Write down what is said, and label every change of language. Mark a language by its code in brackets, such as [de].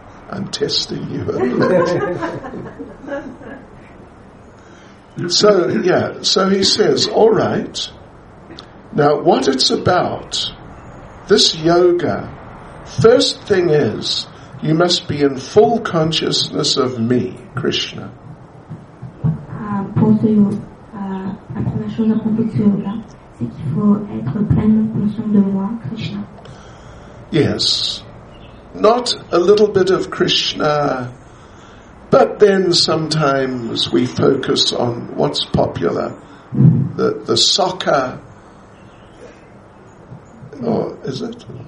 [en] I'm testing you a bit. So, yeah, so he says, all right, now what it's about, this yoga, first thing is, you must be in full consciousness of me, Krishna. [fr] Pour ce yoga, la première chose à propos de ce yoga, c'est qu'il faut être pleinement conscient de moi, Krishna. [en] Yes, not a little bit of Krishna. But then sometimes we focus on what's popular, the soccer, or is it?